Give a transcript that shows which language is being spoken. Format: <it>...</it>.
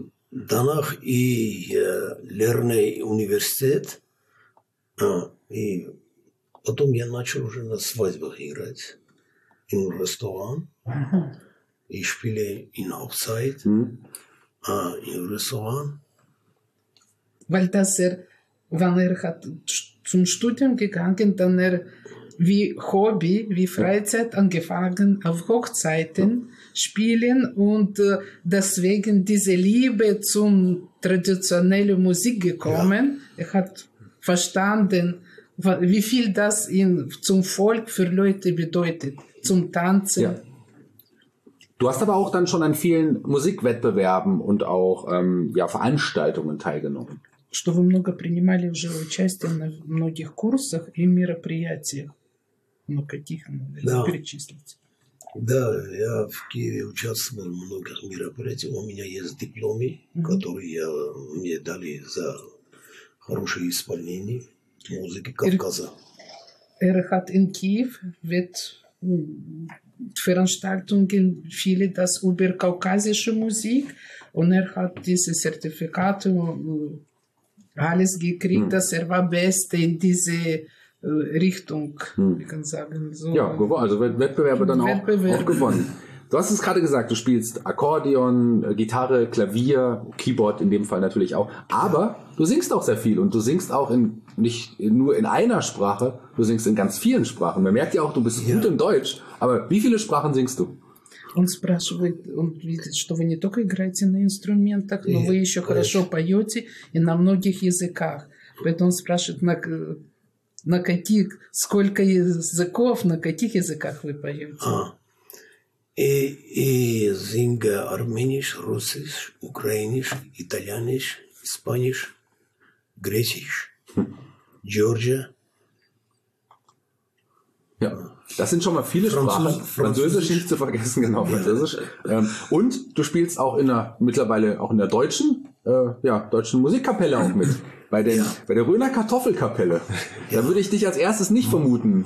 <de>Danach ich lerne Universität.</de> <ru>И потом я начал уже на свадьбах играть. В ресторан. И</ru> <de>шпили in Hochzeit.</de> <ru>И в ресторан.</ru> <de>Weil das wenn hat zum Studium gegangen, dann wie Hobby, wie Freizeit angefangen auf Hochzeiten spielen und deswegen diese Liebe zum traditionellen Musik gekommen. Er hat verstanden, wie viel das in, zum Volk für Leute bedeutet, zum Tanzen. Ja. Du hast aber auch dann schon an vielen Musikwettbewerben und auch Veranstaltungen teilgenommen.</de> <ru>Что вы много принимали уже участие на многих курсах и мероприятиях. Ну, каких надо перечислить? Да, я в Киеве участвовал в многих мероприятиях. У меня есть дипломы, которые мне дали за хорошее исполнение музыки Кавказа.</ru> <de>Эрхат in Kiew wird Veranstaltungen viele das über kaukasische Musik und hat diese Zertifikate alles gekriegt, dass war beste in diese Richtung, ich kann sagen. So. Ja, also Wettbewerbe dann auch gewonnen. Du hast es gerade gesagt, du spielst Akkordeon, Gitarre, Klavier, Keyboard in dem Fall natürlich auch, aber du singst auch sehr viel und du singst auch in nicht nur in einer Sprache, du singst in ganz vielen Sprachen. Man merkt ja auch, du bist gut im Deutsch, aber wie viele Sprachen singst du?</de> <ru>Он спрашивает, он видит, что вы не только играете на инструментах, но вы еще хорошо поете и на многих языках. Поэтому он спрашивает, на каких, сколько языков, на каких языках вы поете?</ru> <de>И зинга армянич, русский, украинич, итальянич, испанич, гречич, джорджа. Ja, das sind schon mal viele Sprachen. Französisch nicht zu vergessen, genau, Französisch. Und du spielst auch mittlerweile auch in der deutschen Musikkapelle auch mit. Bei der Röner Kartoffelkapelle. Da würde ich dich als erstes nicht vermuten.</de>